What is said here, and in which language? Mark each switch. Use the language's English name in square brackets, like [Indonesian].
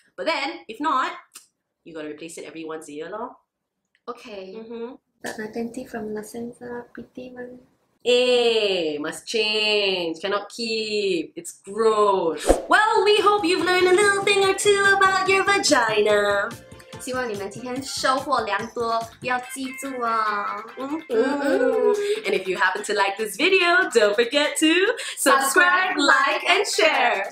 [English] But then, if not, you gotta replace it every once a year, lor. Okay. Mm-hmm. But my panty from Nascenza, pretty one. Eh, must change, cannot keep, it's gross. Well, we hope you've learned a little thing or two about your vagina. [Chinese] 希望你们今天收获良多，要记住哦。 [English] And if you happen to like this video, don't forget to subscribe, like, and share.